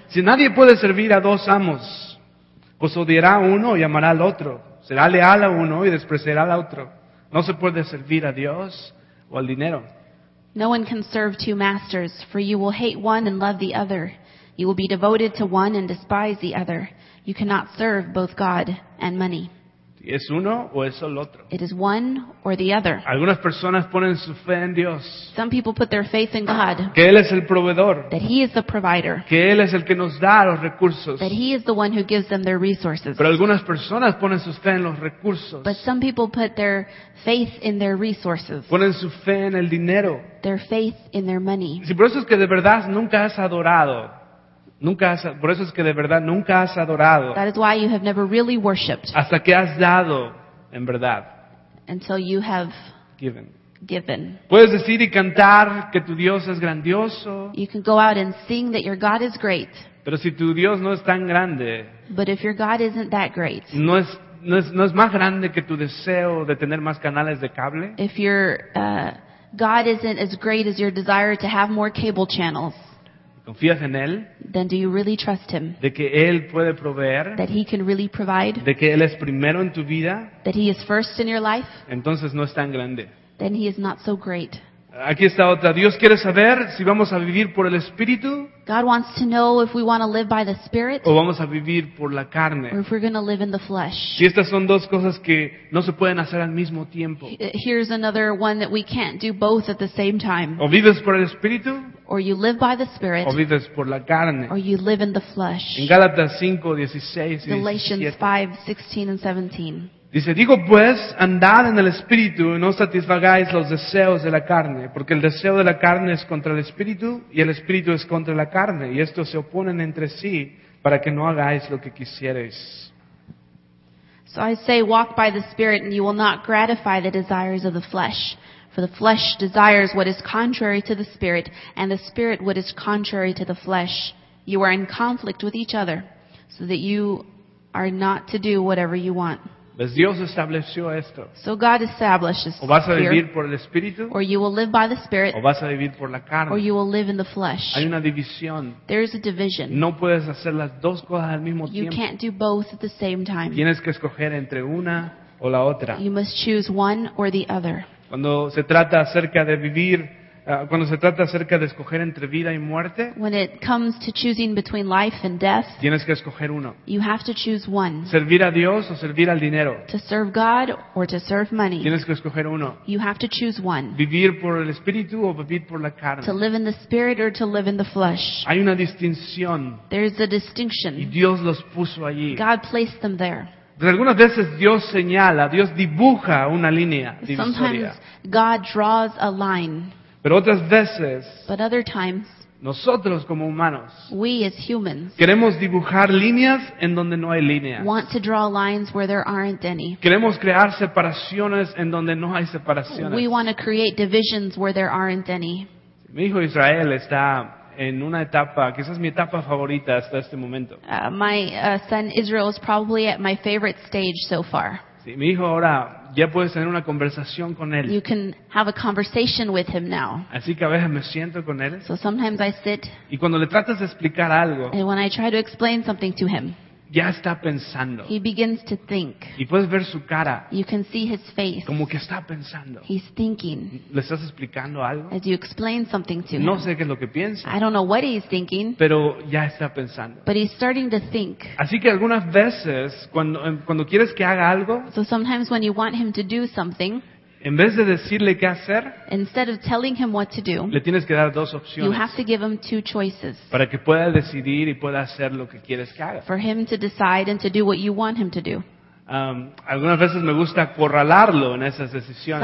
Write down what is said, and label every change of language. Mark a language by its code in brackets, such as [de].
[es] Si nadie puede servir a dos amos, pues odiará a uno y amará al otro. Será leal a uno y despreciará al otro. No se puede servir a Dios o al dinero. [en] No one can serve two masters, for you will hate one and love the other. You will be devoted to one and despise the other. You cannot serve both God and money. [es] ¿Es uno o es el otro? [en] It is one or the other. [es] Algunas personas ponen su fe en Dios. [en] Some people put their faith in God. [es] Que Él es el proveedor. [en] That He is the provider. [es] Que Él es el que nos da los recursos. [en] That He is the one who gives them their resources. [es] Pero algunas personas ponen su fe en los recursos. [en] But some people put their faith in their resources. [es] Ponen su fe en el dinero. [en] Their faith in their money. [es] Sí, por eso es que de verdad nunca has adorado. Por eso es que de verdad nunca has adorado. [en] That is why you have never really worshipped. [es] Hasta que has dado en verdad. [en] Until you have given. [es] Puedes decir y cantar que tu Dios es grandioso. [en] You can go out and sing that your God is great. [es] Pero si tu Dios no es tan grande. [en] But if your God isn't that great. [es] No es más grande que tu deseo de tener más canales de cable. [en] If your God isn't as great as your desire to have more cable channels. [es] ¿Confías en Él? [en] Then do you really trust Him? [es] ¿De que Él puede proveer? [en] That He can really provide? [es] ¿De que Él es primero en tu vida? [en] That He is first in your life? [es] Entonces no es tan grande. [en] Then He is not so great. [es] Aquí está otra. Dios quiere saber si vamos a vivir por el Espíritu. [en] God wants to know if we want to live by the Spirit. [es] O vamos a vivir por la carne. [en] Or if we're going to live in the flesh. [es] Y estas son dos cosas que no se pueden hacer al mismo tiempo. [en] Here's another one that we can't do both at the same time. [es] O vives por el Espíritu. [en] Or you live by the Spirit. [es] O vives por la carne. [en] Or you live in the flesh. [es] En Gálatas 5:16-17. [en] Galatians 5:16-17. [es] Dice, digo pues, andad en el Espíritu y no satisfagáis los deseos de la carne, porque el deseo de la carne es contra el Espíritu y el Espíritu es contra la carne, y estos se oponen entre sí para que no hagáis lo que quisierais. [en] So I say, walk by the Spirit and you will not gratify the desires of the flesh. For the flesh desires what is contrary to the Spirit, and the Spirit what is contrary to the flesh. You are in conflict with each other, so that you are not to do whatever you want. [es] Pues Dios estableció esto. [en] So God establishes. [es] O vas a vivir por el Espíritu. [en] Or you will live by the Spirit. [es] O vas a vivir por la carne. [en] Or you will live in the flesh. [es] Hay una división. [en] There is a division. [es] No puedes hacer las dos cosas al mismo tiempo. [en] You can't do both at the same time. [es] Tienes que escoger entre una o la otra. [en] You must choose one or the other. [es] Cuando se trata acerca de vivir, cuando se trata acerca de escoger entre vida y muerte, [en] when it comes to choosing between life and death, [es] tienes que escoger uno. [en] You have to choose one. [es] Servir a Dios o servir al dinero. [en] To serve God or to serve money. [es] Tienes que escoger uno. [en] You have to choose one. [es] Vivir por el Espíritu o vivir por la carne. [en] To live in the Spirit or to live in the flesh. [es] Hay una distinción. [en] There is a distinction. [es] Y Dios los puso allí. [en] God placed them there. [es] Algunas veces Dios señala, Dios dibuja una línea divisoria. [en] Sometimes God draws a line. [es] Pero otras veces, [en] but other times, [es] nosotros como humanos, [en] we as humans, [es] queremos dibujar líneas en donde no hay líneas. [en] Want to draw lines where there aren't any. [es] Queremos crear separaciones en donde no hay separaciones. [en] We want to create divisions where there aren't any. [es] Mi hijo Israel está en una etapa, quizás mi etapa favorita hasta este momento. [en] My son Israel is probably at my favorite stage so far. [es] Sí, mi hijo ahora ya puedes tener una conversación con él. [en] You can have a conversation with him now. [es] Así que a veces me siento con él. [en] So sometimes I sit. [es] Y cuando le tratas de explicar algo, [en] and when I try to explain something to him, [es] ya está pensando. [en] He begins to think. [es] Y puedes ver su cara. [en] You can see his face. [es] Como que está pensando. [en] He's thinking. [es] ¿Le estás explicando algo? [en] As you explain something to [es] no [en] him. [es] Sé qué es lo que piensa. [en] I don't know what he's thinking. [es] Pero ya está pensando. [en] But he's starting to think. [es] Así que algunas veces cuando quieres que haga algo, [en] so sometimes when you want him to do something, [es] en vez de decirle qué hacer, [en] instead of telling him what to do, [es] le tienes que dar dos opciones. [en] You have to give him two choices. [es] Para que pueda decidir y pueda hacer lo que quieres que haga. [en] For him to decide and to do what you want him to do. [es] Algunas veces me gusta acorralarlo en esas decisiones.